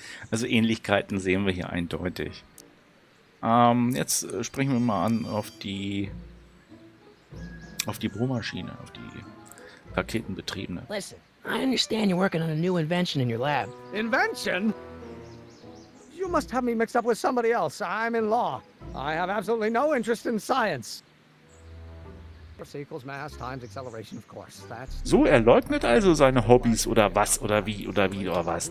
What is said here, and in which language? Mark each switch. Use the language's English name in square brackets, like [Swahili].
[German] Also Ähnlichkeiten sehen wir hier eindeutig. Jetzt sprechen wir mal an auf die Bohrmaschine, auf die Raketenbetriebene. [English] Listen, I understand you're working on a new invention in your lab. Invention? You must have me mixed up with somebody else. I'm in law. I have absolutely no interest in science. Equals mass times acceleration, of course. That's [German] so, er leugnet also seine Hobbys oder was oder wie oder wie oder was.